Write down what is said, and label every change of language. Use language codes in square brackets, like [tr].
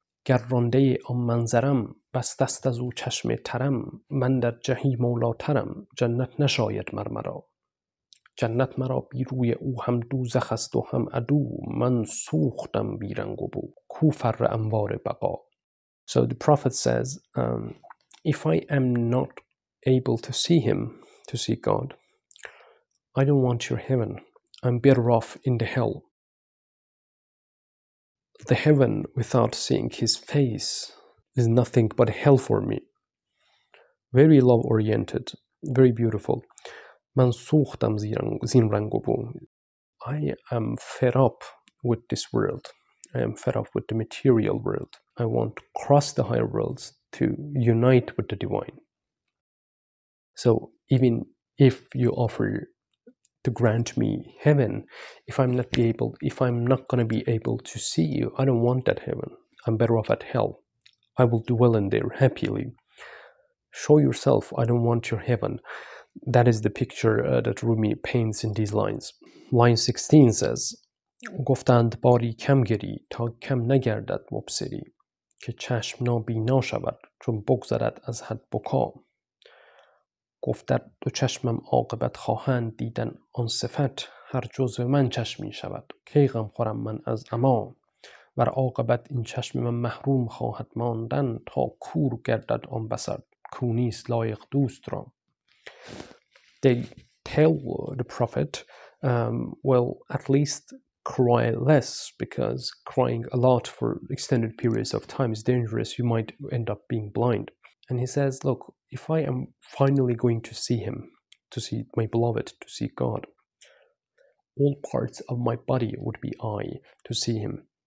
[fa] گر رانده آن منظرم بست دست از او چشم ترم من در جهیم مولا ترم جنت نشاید مر مرا جنت مرا بی روی او هم دوزخ است و هم عدو من سوختم بی رنگ و بو کو فر انوار بقا. [en] So the prophet says, if I am not able to see him, to see God, I don't want your heaven. I'm better off in the hell. The heaven without seeing his face is nothing but hell for me. Very love oriented, very beautiful. [fa] Man sukhtam zin rangubu. [en] I am fed up with this world. I am fed up with the material world. I want to cross the higher worlds to unite with the divine. So even if you offer to grant me heaven, if I'm not gonna be able to see you, I don't want that heaven. I'm better off at hell. I will dwell in there happily. Show yourself. I don't want your heaven. That is the picture that Rumi paints in these lines. Line 16 says, [fa] گفتند باری کم گری تا کم نگردد مبصری که چشم نابینا شود چون بگذرد از حد بکا. گفتد دو چشمم عاقبت خواهند دیدن آن صفت هر جزء من چشمی شود کی غم خورم من از اما ور عاقبت این چشم من محروم خواهد ماندن تا کور گردد آن بصر کونیست لایق دوست را. [en] They tell the prophet, well, at least cry less, because crying a lot for extended periods of time is dangerous. You might end up being blind. And he says, look, if I am finally going to see him, to see my beloved, to see God, all parts of my body would be eye to see him.